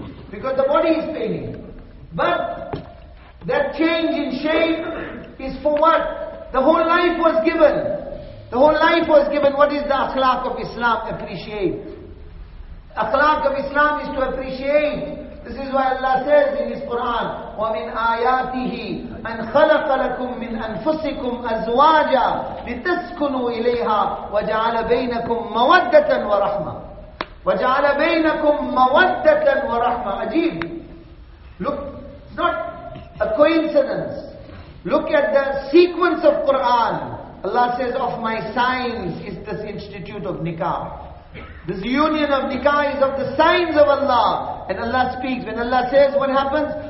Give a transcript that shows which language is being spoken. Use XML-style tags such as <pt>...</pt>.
<en>Because the body is failing. But that change in shape is for what? The whole life was given. What is the akhlaq of Islam? Appreciate. Akhlaq of Islam is to appreciate. This is why Allah says in His Quran,</en> <ar>وَمِنْ آيَاتِهِ أَنْ خَلَقَ لَكُمْ مِنْ أَنفُسِكُمْ أَزْوَاجًا لِتَسْكُنُوا إِلَيْهَا وَجَعَلَ بَيْنَكُمْ مَوَدَّةً وَرَحْمَةً وَجَعَلَ بَيْنَكُمْ مَوَدَّةً وَرَحْمَةً. Ajeeb.</ar> <en>Look, it's not a coincidence. Look at the sequence of Quran. Allah says, of my signs is this institute of nikah. This union of nikah is of the signs of Allah. And Allah speaks. When Allah says, what happens?</en>